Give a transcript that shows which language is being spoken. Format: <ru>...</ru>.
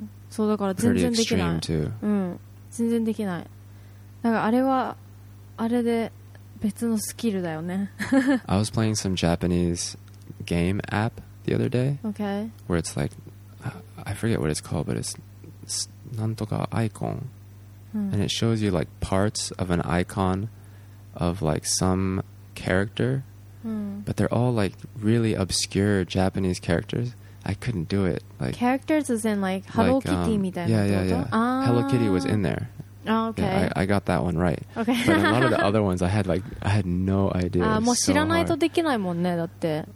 <ja>そうだから全然できない。うん、全然できない。だからあれはあれで別のスキルだよね。</ja> <en>I was playing some Japanese game app the other day. Okay. Where it's like, I forget what it's called, but it's</en> <ja>なんとかアイコン。</ja> <en>And it shows you like parts of an icon of like some character. But they're all like really obscure Japanese characters. I couldn't do it. Like characters as in like Hello Kitty</en> <ja>みたいなこと?</ja> <en>Yeah. Hello Kitty was in there. Oh, okay. Yeah, I got that one right. Okay. But a lot of the other ones I had no idea.</en> <ja>Ah, もう知らないとできないもんね、だって。</ja>